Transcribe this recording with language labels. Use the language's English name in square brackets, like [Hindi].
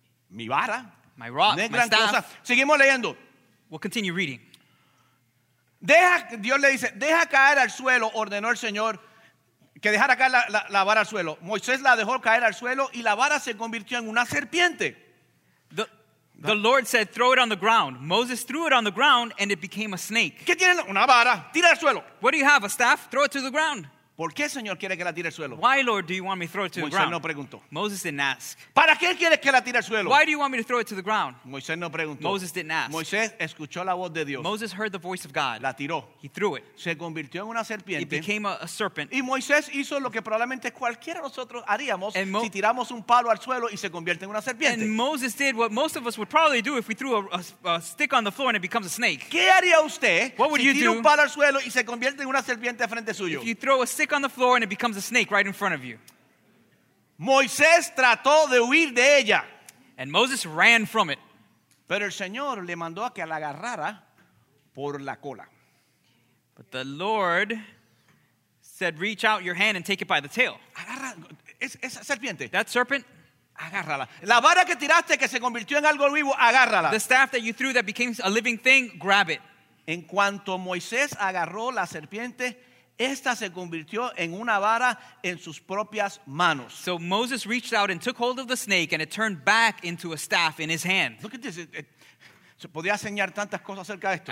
[Spanish] Mi vara, [English] my rock, my staff. [Spanish] Cosa. Seguimos leyendo. [English] We'll continue reading. [Spanish] Deja, Dios le dice, deja caer al suelo, ordenó el Señor que dejara caer la vara al suelo. Moisés la dejó caer al suelo y la vara se convirtió en una serpiente. [English] The Lord said, throw it on the ground. Moses threw it on the ground and it became a snake. [Spanish] ¿Qué tiene? Una vara, tira al suelo. [English] What do you have, a staff? Throw it to the ground. [Spanish] ¿Por qué, Señor, quiere que la tire al suelo? [English] Why, Lord, do you want me to throw it to [Spanish] Moisés [English] the ground? [Spanish] No preguntó. [English] Moses didn't ask. [Spanish] ¿Para qué quiere que la tire al suelo? [English] Why do you want me to throw it to the ground? [Spanish] Moisés no preguntó. [English] Moses didn't ask. [Spanish] Moisés escuchó la voz de Dios. [English] Moses heard the voice of God. [Spanish] La tiró. [English] He threw it. [Spanish] Se convirtió en una serpiente. [English] It became a serpent. [Spanish] Y Moisés hizo lo que probablemente cualquiera de nosotros haríamos si tiramos un palo al suelo y se convierte en una serpiente. [English] And Moses did what most of us would probably do if we threw a stick on the floor and it becomes a snake. [Spanish] ¿Qué haría usted [English] what would [Spanish] si [English] you [Spanish] tira [English] do? [Spanish] Un palo al suelo y se convierte en una serpiente frente suyo? [English] If you throw a stick on the floor and it becomes a snake right in front of you. [Spanish] Moisés trató de huir de ella. [English] And Moses ran from it. [Spanish] Pero el Señor le mandó a que la agarrara por la cola. [English] But the Lord said, reach out your hand and take it by the tail. [Spanish] Agarra esa serpiente. [English] That serpent. [Spanish] Agárrala. La vara que tiraste que se convirtió en algo vivo, agárrala. [English] The staff that you threw that became a living thing, grab it. [Spanish] En cuanto Moisés agarró la serpiente, esta se convirtió en una vara en sus propias manos. [English] So Moses reached out and took hold of the snake and it turned back into a staff in his hand. Look at this. [Spanish] Se podía enseñar tantas cosas acerca de esto.